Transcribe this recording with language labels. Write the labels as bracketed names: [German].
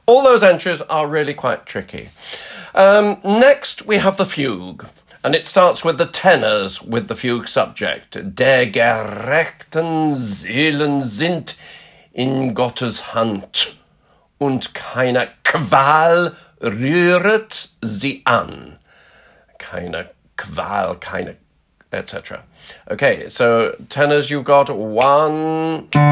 [English] those entries are really quite tricky. Next, we have the fugue. And it starts with the tenors with the fugue subject. [German] Der gerechten Seelen sind in Gottes Hand. Und keine Qual rühret sie an. Keine Qual, keine, etc. [English] Okay, so tenors, you've got one.